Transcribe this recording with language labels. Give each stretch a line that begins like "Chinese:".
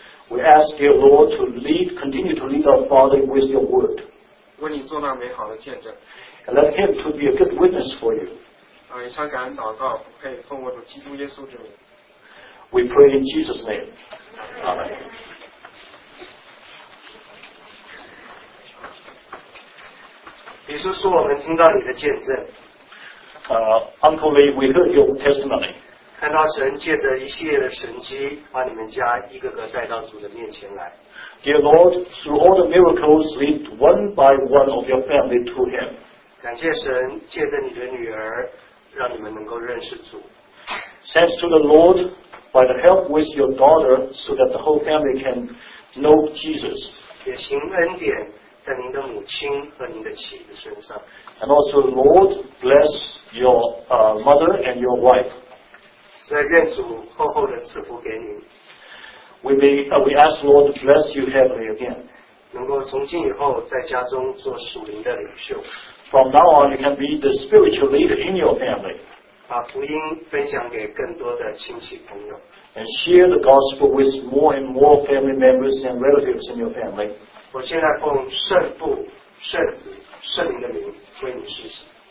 English: We ask you, Lord, to lead, continue to lead our father with your word.
Chinese: 为你做那美好的见证。
English: And let him to be a good witness for you.
Chinese: 以上感恩祷告，可以奉我主基督耶稣之名。
English: We pray in Jesus' name. Amen. Uncle Lee, we heard your testimony.
Chinese: 看到神借着一系列的神迹，把你们家一个个带到主的面前来。
English: Dear Lord, through all the miracles, lead one by one of your family to Him.
Chinese: 感谢神借着你的女儿，让你们能够认识主。
English: Thanks to the Lord by the help with your daughter, so that the whole family can know Jesus.
Chinese: 也行恩典。在您的母亲和您的妻子身上。
English: And also, Lord, bless your mother and your wife.
Chinese: 所以愿主厚厚的赐福给您。
English: We ask Lord to bless you heavily again.
Chinese: 能够从今以后在家中做属灵的领袖。
English: From now on, you can be the spiritual leader in your family.
Chinese: 把福音分享给更多的亲戚朋友。
English: And share the gospel with more and more family members and relatives in your family.
Chinese: 我现在奉圣父、圣子、圣灵的名为你施洗。